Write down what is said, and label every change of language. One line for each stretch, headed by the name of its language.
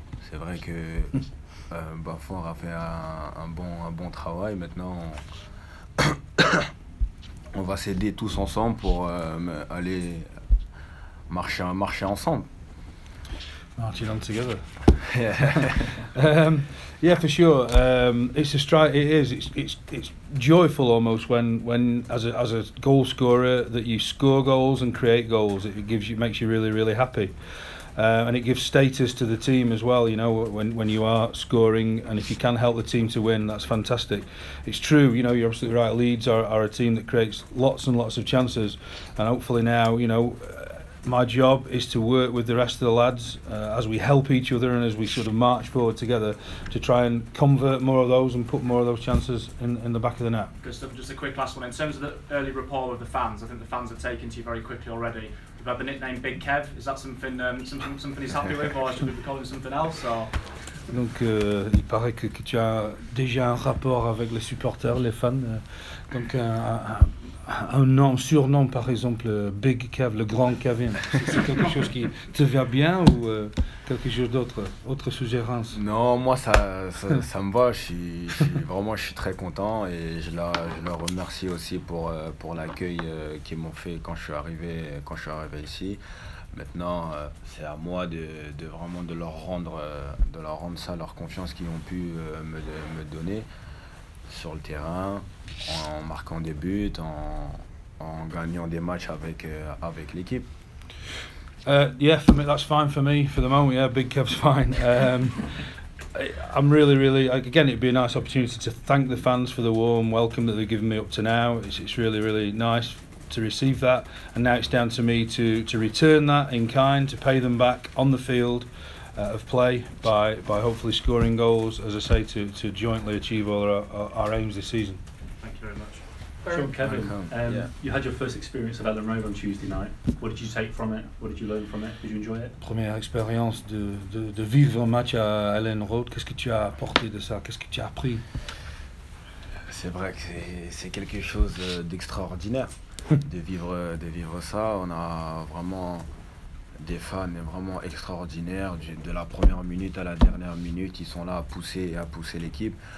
French: C'est vrai que Bafour a fait un bon travail. Maintenant on va s'aider tous ensemble pour aller marcher ensemble.
English: Marching on together. Yeah, for sure. It's joyful almost when as a goal scorer that you score goals and create goals. It makes you really, really happy. And it gives status to the team as well, you know, when you are scoring, and if you can help the team to win, that's fantastic. It's true, you know, you're absolutely right. Leeds are a team that creates lots and lots of chances, and hopefully now, you know, my job is to work with the rest of the lads as we help each other and as we sort of march forward together to try and convert more of those and put more of those chances in the back of the net. Good stuff. Just a quick last one. In terms of the early rapport with the fans, I think the fans have taken to you very quickly already. We've had the nickname Big Kev. Is that something he's happy with, or should we be calling him something else? Or?
French: Donc, il paraît que tu as déjà un rapport avec les supporters, les fans. Donc, un nom, surnom par exemple, Big Kev, le grand Kevin. C'est quelque chose qui te va bien ou quelque chose d'autre, autre suggérence? Non, moi ça me va. Je suis vraiment très content et je la remercie aussi pour l'accueil qu'ils m'ont fait quand je suis arrivé ici. Maintenant, c'est à moi de vraiment leur rendre ça, leur confiance qu'ils ont pu me donner sur le terrain, en marquant des buts, en gagnant des matchs avec l'équipe.
English: Yeah, for me, that's fine for me for the moment. Yeah, Big Kev's fine. I'm really, really, again, it'd be a nice opportunity to thank the fans for the warm welcome that they've given me up to now. It's really, really nice to receive that, and now it's down to me to return that in kind, to pay them back on the field of play by hopefully scoring goals, as I say, to jointly achieve all our aims this season. Thank you very much. Sean, Kevin, you had your first experience at Elland Road on Tuesday night. What did you take from it? What did you learn from it? Did you enjoy it?
French: Première expérience de vivre un match à Elland Road, qu'est-ce que tu as apporté de ça? Qu'est-ce que tu as appris? C'est vrai que c'est quelque chose d'extraordinaire. De vivre ça, on a vraiment des fans vraiment extraordinaires, de la première minute à la dernière minute, ils sont là à pousser et à pousser l'équipe.